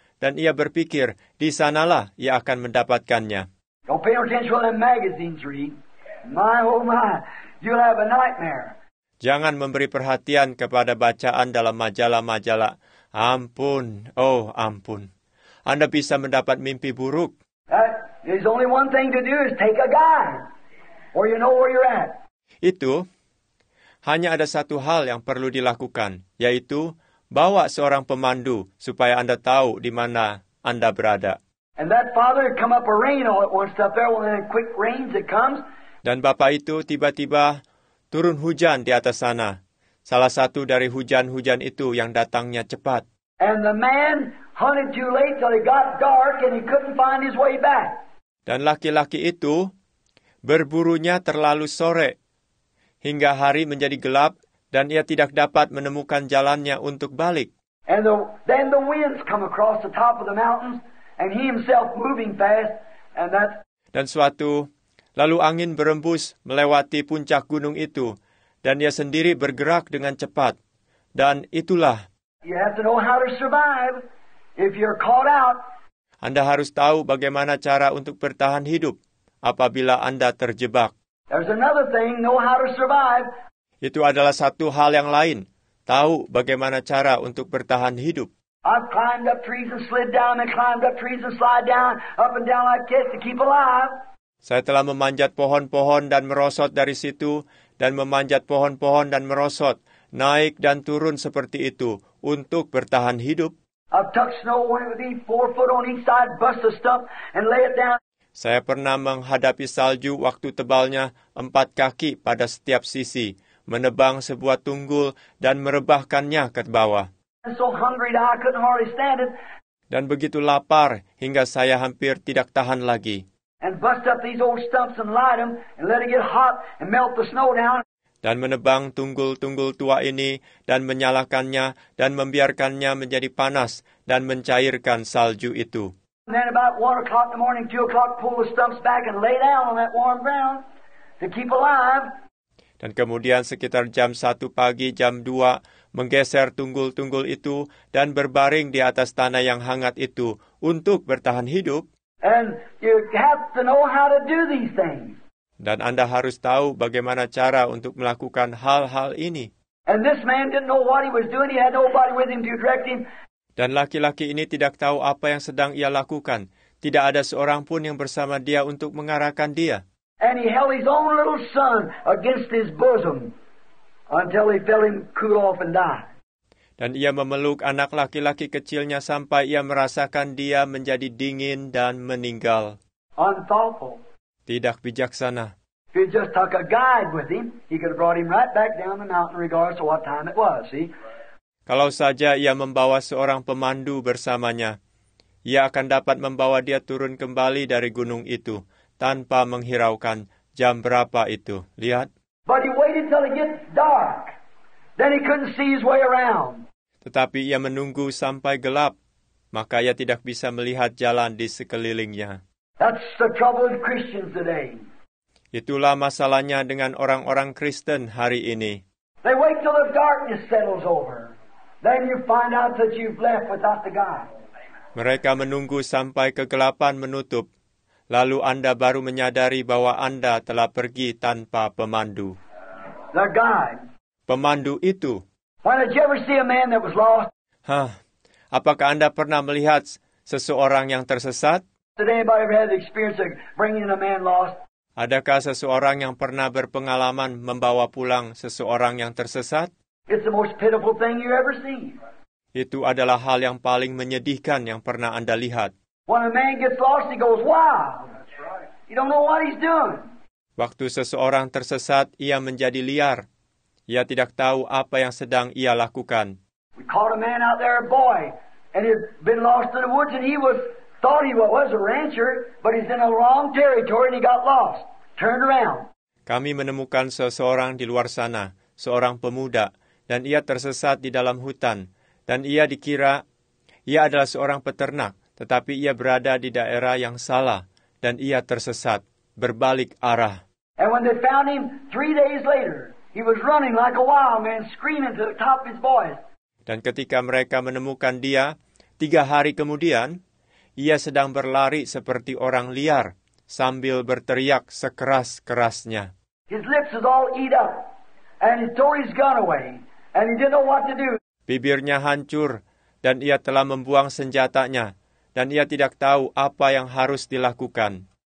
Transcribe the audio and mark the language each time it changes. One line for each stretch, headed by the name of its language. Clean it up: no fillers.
Indonesian: Dan ia berpikir, di sanalah ia akan mendapatkannya.
English: Don't pay attention to them magazines, Reed. My, oh my, you'll have a nightmare.
Indonesian: Jangan memberi perhatian kepada bacaan dalam majalah-majalah. Ampun, oh ampun. Anda bisa mendapat mimpi buruk.
English: There's only one thing to do is take a guide. Or you know where you're at.
Indonesian: Itu, hanya ada satu hal yang perlu dilakukan, yaitu, bawa seorang pemandu supaya Anda tahu di mana Anda berada.
English: And that father come up a rain all at once up there, well then quick rains it comes.
Indonesian: Dan bapak itu tiba-tiba turun hujan di atas sana. Salah satu dari hujan-hujan itu yang datangnya cepat.
English: And the man hunted too late till it got dark and he couldn't find his way back.
Indonesian: Dan laki-laki itu berburunya terlalu sore hingga hari menjadi gelap dan ia tidak dapat menemukan jalannya untuk balik.
English: And then the winds come across the top of the mountains and he himself moving fast and that.
Indonesian: Dan suatu lalu angin berembus melewati puncak gunung itu dan ia sendiri bergerak dengan cepat dan itulah.
English: You have to know how to survive if you're caught out.
Indonesian: Anda harus tahu bagaimana cara untuk bertahan hidup apabila Anda terjebak.
English: There's another thing, know how to survive.
Indonesian: Itu adalah satu hal yang lain. Tahu bagaimana cara untuk bertahan hidup.
English: I've climbed up trees and slid down and climbed up trees and slid down up and down like this to keep alive.
Indonesian: Saya telah memanjat pohon-pohon dan merosot dari situ dan memanjat pohon-pohon dan merosot, naik dan turun seperti itu untuk bertahan hidup.
English: I've tucked snow away with me, 4 foot on each side, bust the stump and lay it down.
Indonesian: Saya pernah menghadapi salju waktu tebalnya 4 kaki pada setiap sisi, menebang sebuah tunggul dan merebahkannya ke bawah.
English: So hungry that I couldn't hardly stand it.
Indonesian: Dan begitu lapar hingga saya hampir tidak tahan lagi.
English: And bust up these old stumps and light them and let it get hot and melt the snow down.
Indonesian: Dan menebang tunggul-tunggul tua ini dan menyalakannya dan membiarkannya menjadi panas dan mencairkan salju itu.
English: And then about 1 o'clock in the morning, 2 o'clock, pull the stumps back and lay down on that warm ground to keep alive.
Indonesian: Dan kemudian sekitar jam 1 pagi, jam 2, menggeser tunggul-tunggul itu dan berbaring di atas tanah yang hangat itu untuk bertahan hidup.
English: And you have to know how to do these things.
Indonesian: Dan Anda harus tahu bagaimana cara untuk melakukan hal-hal ini.
English: And this man didn't know what he was doing. He had nobody with him to direct him.
Indonesian: Dan laki-laki ini tidak tahu apa yang sedang ia lakukan. Tidak ada seorang pun yang bersama dia untuk mengarahkan dia.
English: And he held his own little son against his bosom until he felt him cool off and die.
Indonesian: Dan ia memeluk anak laki-laki kecilnya sampai ia merasakan dia menjadi dingin dan meninggal.
English: Unthoughtful.
Indonesian: Tidak bijaksana.
English: If he just took a guide with him, he could have brought him right back down the mountain regardless of what time it was, see?
Indonesian: Kalau saja ia membawa seorang pemandu bersamanya, ia akan dapat membawa dia turun kembali dari gunung itu tanpa menghiraukan jam berapa itu. Lihat.
English: But he waited till it gets dark. Then he couldn't see his way around.
Indonesian: Tetapi ia menunggu sampai gelap, maka ia tidak bisa melihat jalan di sekelilingnya.
English: That's the trouble of Christians today.
Indonesian: Itulah masalahnya dengan orang-orang Kristen hari ini.
English: They wait till the darkness settles over. Then you find out that you've left without the guide.
Indonesian: Mereka menunggu sampai kegelapan menutup. Lalu Anda baru menyadari bahwa Anda telah pergi tanpa pemandu.
English: The guide.
Indonesian: Pemandu itu.
English: Why did you ever see a man that was lost?
Indonesian: Hah, apakah Anda pernah melihat seseorang yang tersesat?
English: Did anybody ever have the experience of bringing a man lost?
Indonesian: Adakah seseorang yang pernah berpengalaman membawa pulang seseorang yang tersesat?
English: It's the most pitiful thing you ever seen.
Indonesian: Itu adalah hal yang paling menyedihkan yang pernah Anda lihat.
English: When a man gets lost, he goes wild. He don't know what he's doing.
Indonesian: Waktu seseorang tersesat, ia menjadi liar. Ia tidak tahu apa yang sedang ia lakukan.
English: We caught a man out there, a boy, and he'd been lost in the woods, and he was thought he was a rancher, but he's in the wrong territory, and he got lost. Turned around.
Indonesian: Kami menemukan seseorang di luar sana, seorang pemuda, dan ia tersesat di dalam hutan, dan ia dikira ia adalah seorang peternak. Tetapi ia berada di daerah yang salah, dan ia tersesat, berbalik arah.
English: And when they found him 3 days later, he was running like a wild man, screaming to the top of his voice.
Indonesian: Dan ketika mereka menemukan dia, 3 hari kemudian, ia sedang berlari seperti orang liar, sambil berteriak sekeras-kerasnya.
English: His lips was all eat up, and he threw his gun away, and he didn't know what to do.
Indonesian: Bibirnya hancur, dan ia telah membuang senjatanya. Dan ia tidak tahu apa yang harus dilakukan.